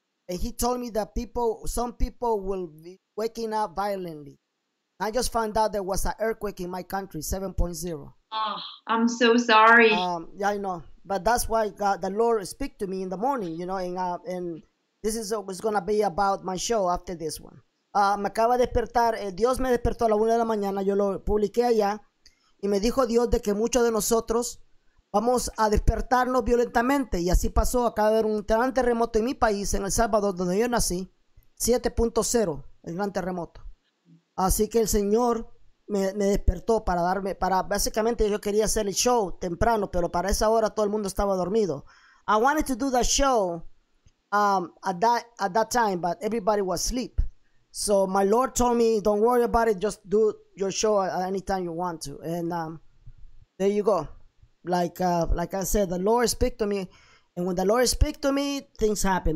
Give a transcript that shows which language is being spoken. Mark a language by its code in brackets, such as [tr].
[en] And he told me that some people will be waking up violently. I just found out there was an earthquake in my country, 7.0. Oh, I'm so sorry. I know. But that's why God, the Lord speak to me in the morning, you know, and this is what's going to be about my show after this one. [es] Me acaba de despertar, Dios me despertó a la 1 a.m, yo lo publiqué allá, y me dijo Dios de que muchos de nosotros vamos a despertarnos violentamente, y así pasó. Acaba de haber un gran terremoto en mi país, en El Salvador, donde yo nací, 7.0, el gran terremoto. Así que el Señor me despertó para darme, para básicamente yo quería hacer el show temprano, pero para esa hora todo el mundo estaba dormido. [en] I wanted to do the show at that time, but everybody was asleep. So my Lord told me, don't worry about it, just do your show at any time you want to. And there you go. Like I said, the Lord speak to me, and when the Lord speak to me, things happen.